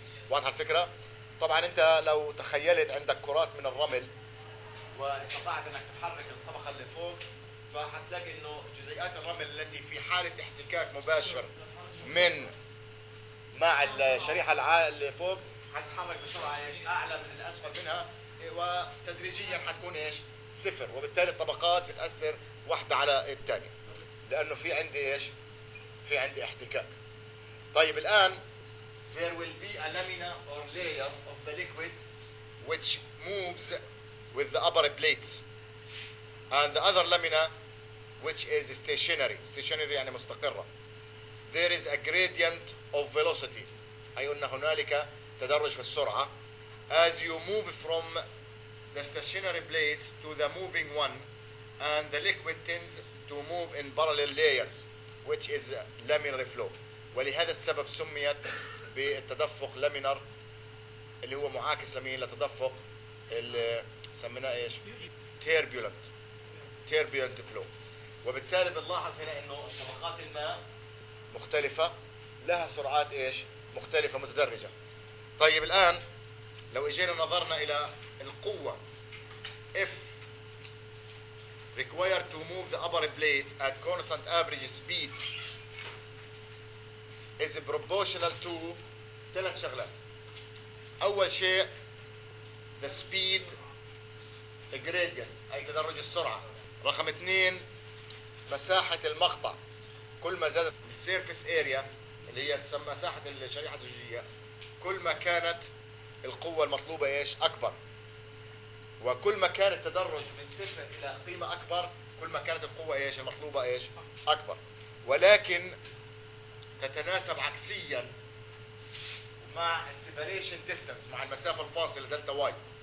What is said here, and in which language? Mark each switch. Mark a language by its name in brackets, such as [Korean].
[Arabic] واضح الفكرة؟ طبعا أنت لو تخيلت عندك كرات من الرمل واستطعت أنك تحرك الطبقة اللي فوق، فهتلاقي انه جزيئات الرمل التي في حالة احتكاك مباشر من مع الشريحة اللي فوق هتتحرك بسرعة ايش اعلى من الاسفل منها، وتدريجيا هتكون ايش صفر، وبالتالي الطبقات بتأثر واحدة على التانية لانه في عندي ايش في عندي احتكاك. طيب الان [English] there will be a lamina or layer of the liquid which moves with the upper plates and the other lamina which is stationary. [Arabic] Stationary يعني مستقرة. [English] There is a gradient of velocity. [Arabic] أي أن هنالك تدرج في السرعة. [English] As you move from the stationary plates to the moving one and the liquid tends to move in parallel layers which is laminar flow. [Arabic] ولهذا السبب سميت بالتدفق laminar اللي هو معاكس لمين؟ لتدفق اللي سميناه إيش؟ turbulent. [English] Turbulent flow. [Arabic] وبالتالي بنلاحظ هنا انه طبقات الماء مختلفة لها سرعات ايش مختلفة متدرجة. طيب الان لو اجينا نظرنا الى القوة [English] F required to move the upper plate at constant average speed is proportional to [Arabic] ثلاث شغلات. اول شيء [English] the speed gradient [Arabic] اي تدرج السرعة. رقم اثنين مساحة المقطع، كل ما زادت السيرفس اريا اللي هي مساحة الشريحة الزجاجية كل ما كانت القوة المطلوبة ايش اكبر، وكل ما كان التدرج من صفر الى قيمة اكبر كل ما كانت القوة ايش المطلوبة ايش اكبر، ولكن تتناسب عكسيا مع السيباريشن ديستانس مع المسافة الفاصلة دلتا واي.